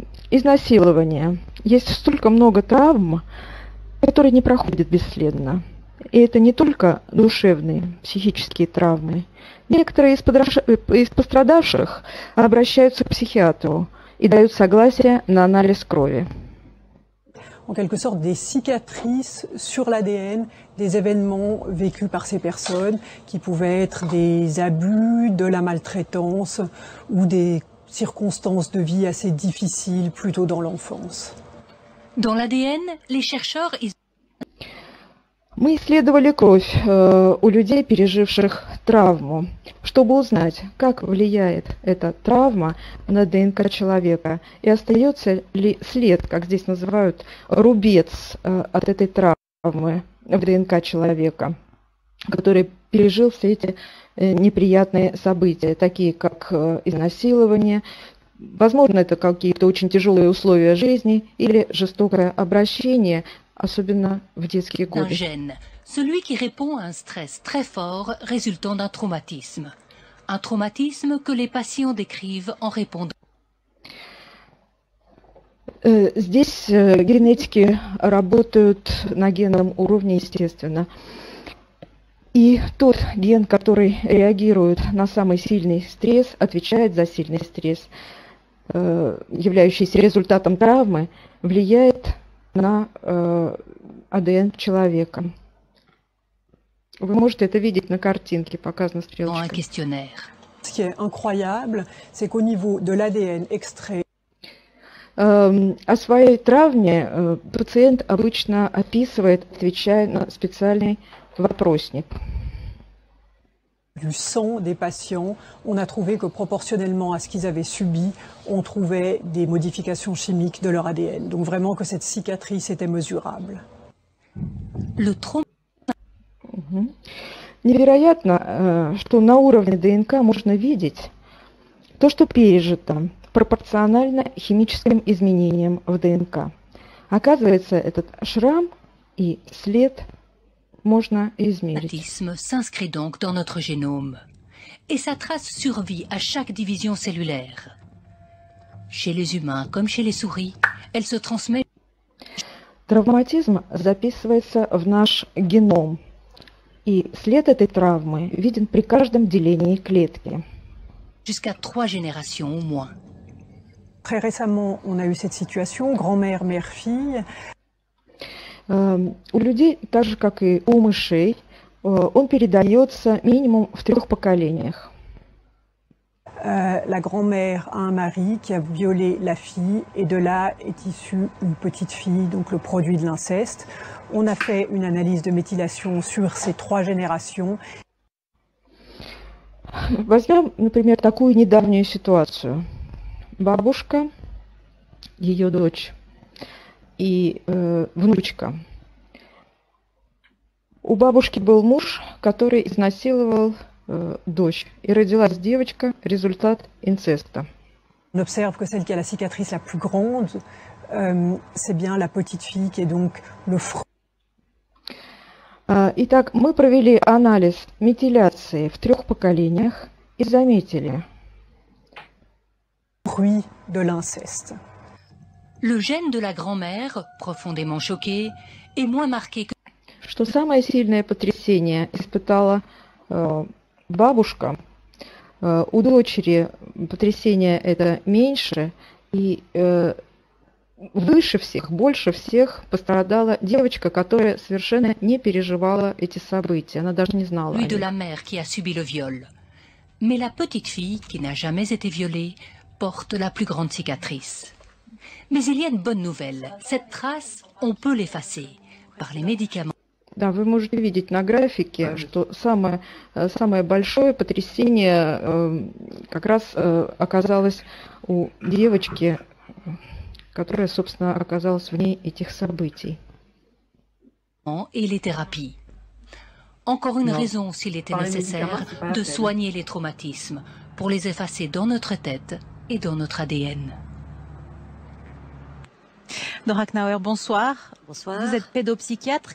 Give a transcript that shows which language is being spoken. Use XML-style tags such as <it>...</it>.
<ru>Изнасилование. Есть столько много травм, которые не проходят бесследно. И это не только душевные, психические травмы. Некоторые из пострадавших обращаются к психиатру. И дают согласие на анализ крови.</ru> <fr>En quelque sorte, des cicatrices sur l'ADN des événements vécus par ces personnes, qui pouvaient être des abus, de la maltraitance ou des circonstances de vie assez difficiles, plutôt dans l'enfance. Dans l'ADN, les chercheurs...</fr> <ru>Мы исследовали кровь у людей, переживших травму, чтобы узнать, как влияет эта травма на ДНК человека и остается ли след, как здесь называют, рубец от этой травмы в ДНК человека, который пережил все эти неприятные события, такие как изнасилование, возможно, это какие-то очень тяжелые условия жизни или жестокое обращение.</ru> <fr>D'un gène, celui qui répond à un stress très fort résultant d'un traumatisme. Un traumatisme que les patients décrivent en répondant.</fr> <ru>Здесь генетики работают на генном уровне, естественно. И тот ген, который реагирует на самый сильный стресс, отвечает за сильный стресс, являющийся результатом травмы, влияет на ADN человека. Вы можете это видеть на картинке, показано стрелочкой.</ru> <fr>Ce qui est incroyable, c'est qu'au niveau de l'ADN extrait...</fr> <ru>О своей травме пациент обычно описывает, отвечая на специальный вопросник.</ru> <fr>Du sang des patients, on a trouvé que proportionnellement à ce qu'ils avaient subi, on trouvait des modifications chimiques de leur ADN. Donc vraiment que cette cicatrice était mesurable. Le trauma.</fr> <ru>Невероятно, что на уровне ДНК можно видеть то, что пережито, пропорционально химическим изменениям в ДНК. Оказывается, этот шрам и след можно измерить.</ru> <fr>Атисм s'inscrit donc dans notre génome. Et sa trace survit à chaque division cellulaire. Chez les humains comme chez les souris, elle se transmet...</fr> <ru>Травматизм записывается в наш геном. И след этой травмы виден при каждом делении клетки.</ru> <fr>Jusqu'à trois générations au moins. Très récemment, on a eu cette situation, grand-mère, mère-fille.</fr> <ru>У людей, так же как и у мышей, он передается минимум в трех поколениях.</ru> <fr>La grand-mère a un mari qui a violé la fille et de là est issue une petite fille, donc le produit de l'inceste. On a fait une analyse de méthylation sur ces trois générations.</fr> <ru>Возьмем, например, такую недавнюю ситуацию. Бабушка, ее дочь. И внучка. У бабушки был муж, который изнасиловал дочь. И родилась девочка, результат инцеста.</ru> <fr>On observe que celle qui a la cicatrice la plus grande, c'est bien la petite fille qui est donc le fruit.</fr> <ru>Итак, мы провели анализ метиляции в трех поколениях и заметили.</ru> <fr>Fruit de l'inceste. Le gène de la grand-mère, profondément choquée, est moins marqué que...</fr> <ru>Что самое сильное потрясение испытала бабушка. У дочери потрясение это меньше, и выше всех, больше всех пострадала девочка, которая совершенно не переживала эти события. Она даже не знала.</ru> <fr>Lui de la mère qui a subi le viol. Mais la petite fille, qui n'a jamais été violée, porte la plus grande cicatrice. Mais il y a une bonne nouvelle. Cette trace, on peut l'effacer par les médicaments.</fr> <ru>Да, вы можете видеть на графике, что самое большое потрясение как раз оказалось у девочки, которая, собственно, оказалась в ней этих событий.</ru> <fr>Et les thérapies. Encore une raison, s'il était nécessaire, de soigner les traumatismes pour les effacer dans notre tête et dans notre ADN. Nora Knauer, bonsoir. Bonsoir. Vous êtes pédopsychiatre.</fr>